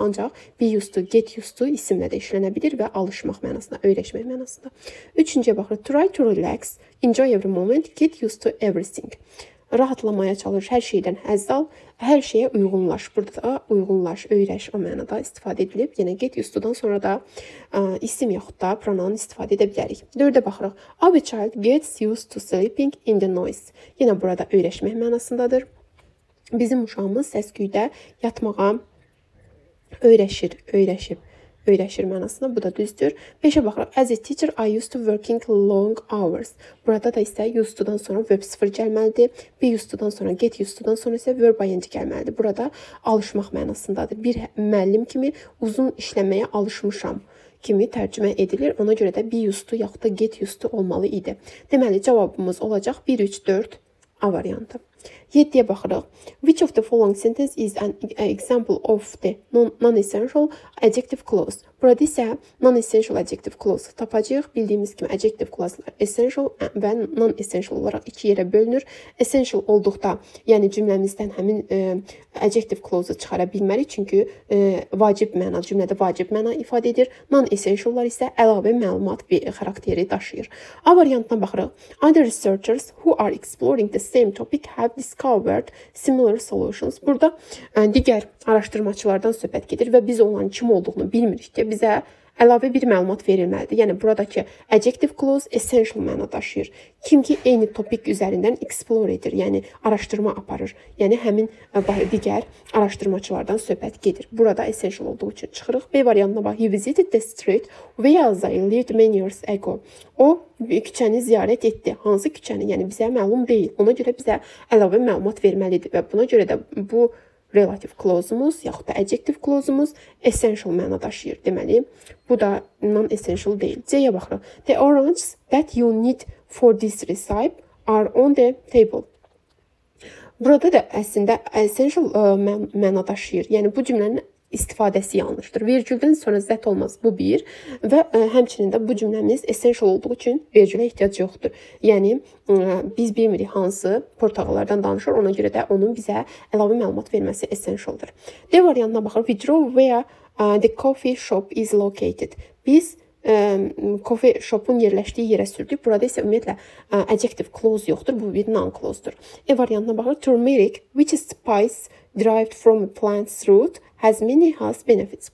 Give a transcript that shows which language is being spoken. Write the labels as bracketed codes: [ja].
[az] Ancaq, be used to, get used to isimlə də işlənə bilir və alışmaq mənasında, öyrəşmək mənasında. Üçüncüyə baxırıq. [en] Try to relax, enjoy every moment, get used to everything. [az] Rahatlamaya çalış, hər şeydən həzz al, hər şeyə uyğunlaş. Burada da uyğunlaş, öyrəş o mənada istifadə edilib. Yəni, get used to-dan sonra da isim yaxud da pronoun istifadə edə bilərik. Dördə baxırıq. [en] Our child gets used to sleeping in the noise. [az] Yenə burada öyrəşmək mənasındadır. Bizim uşağımız səs-küydə yatmağa öyrəşir mənasında, bu da düzdür. 5-ə baxıraq, [en] as a teacher, I used to working long hours. [az] Burada da isə used to-dan sonra verb 0 gəlməlidir. Be used to-dan sonra, get used to-dan sonra isə verb ing gəlməlidir. Burada alışmaq mənasındadır. Bir müəllim kimi uzun işləməyə alışmışam kimi tərcümə edilir. Ona görə də be used to, yaxud da get used to olmalı idi. Deməli, cavabımız olacaq 1, 3, 4 A variantı. 7-yə baxırıq. [en] Which of the following sentence is an example of the non-essential adjective clause? [az] Burada isə non-essential adjective clause tapacaq. Bildiyimiz kimi adjective clause-lar essential və non-essential olaraq iki yerə bölünür. Essential olduqda, yəni cümləmizdən həmin adjective clause-u çıxara bilmərik, çünki vacib məna, cümlədə vacib məna ifadə edir. Non-essential-lar isə əlavə məlumat bir xarakteri daşıyır. A variantına baxırıq. [en] Other researchers who are exploring the same topic have discovered similar solutions. [az] Burada digər araşdırmaçılardan söhbət gedir və biz onların kim olduğunu bilmirik ki, bizə əlavə bir məlumat verilməlidir. Yəni, buradakı adjective clause essential məna daşıyır. Kim ki, eyni topik üzərindən explore edir, yəni araşdırma aparır. Yəni, həmin digər araşdırmaçılardan söhbət gedir. Burada essential olduğu üçün çıxırıq. B variantına bax, [en] he visited the street where they lived many years ago. [az] O, küçəni ziyarət etdi. Hansı küçəni? Yəni, bizə məlum deyil. Ona görə bizə əlavə məlumat verməlidir və buna görə də bu relative clause-umuz, yaxud da adjective clause-umuz essential məna daşıyır. Deməli, bu da non-essential deyil. C-yə baxırıq. [en] The oranges that you need for this recipe are on the table. [az] Burada da əslində essential məna daşıyır. Yəni, bu cümlənin istifadəsi yanlışdır. Virgüldən sonra zət olmaz, bu bir. Və həmçinin də bu cümləmiz essential olduğu üçün virgülə ehtiyac yoxdur. Yəni, biz bilmirik hansı portağalardan danışır, ona görə də onun bizə əlavə məlumat verməsi essentialdır. D variantına baxır, [en] we drove where the coffee shop is located. [az] Biz coffee shop-un yerləşdiyi yerə sürdük. Burada isə ümumiyyətlə adjective clause yoxdur, bu bir non-clause-dur. E variantına baxır, [en] turmeric, which is spice derived from a plant's root, has many health benefits.